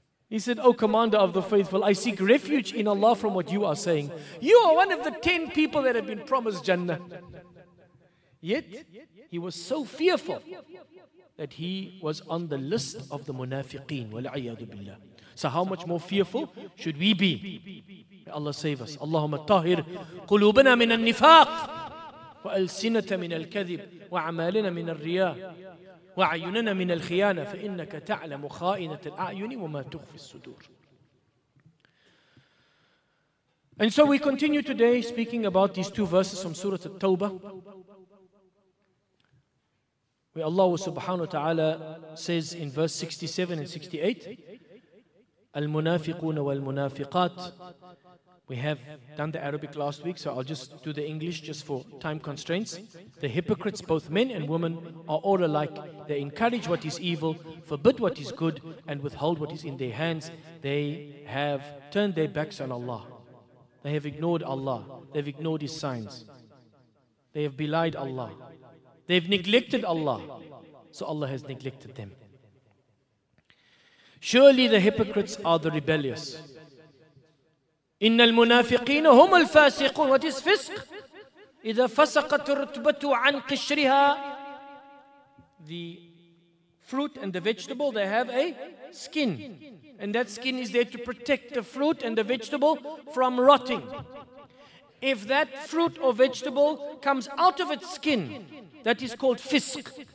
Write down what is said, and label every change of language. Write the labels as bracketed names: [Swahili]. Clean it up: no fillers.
[English] He said, O Commander of the Faithful, I seek refuge in Allah from what you are saying. You are one of the 10 people that have been promised Jannah. Yet, he was so fearful that he was on the list of the munafiqeen. [Arabic] وَلَعِيَّذُ بِاللَّهِ [English] So how much more fearful should we be? May Allah save us. [Arabic] Allahumma tahir قُلُوبَنَا مِنَ النِّفَاقِ وَأَلْسِنَةَ مِنَ الْكَذِبِ وَعَمَالِنَا مِنَ الرِّيَاءِ وَعَيُّنَنَا مِنَ الْخِيَانَةِ فَإِنَّكَ تَعْلَمُ خَائِنَةَ الْأَعْيُنِ وَمَا تُخْفِ الصُّدُورِ [English] And so we continue today speaking about these two verses from Surah At-Tawbah. Where Allah subhanahu wa ta'ala says in verse 67 and 68, Al-Munafiquna wal-Munafiqat. We have done the Arabic last week, so I'll just do the English just for time constraints. The hypocrites, both men and women, are all alike. They encourage what is evil, forbid what is good, and withhold what is in their hands. They have turned their backs on Allah. They have ignored Allah. They've ignored His signs. They have belied Allah. They've neglected Allah. So Allah has neglected them. Surely the hypocrites are the rebellious. [Arabic] إِنَّ الْمُنَافِقِينَ هُمُ الْفَاسِقُونَ [English] What is fisq? [Arabic] إِذَا فَسَقَتُ الرُّتْبَةُ عَنْ قِشْرِهَا [English] The fruit and the vegetable, they have a skin. And that skin is there to protect the fruit and the vegetable from rotting. If that fruit or vegetable comes out of its skin, that is called fisq.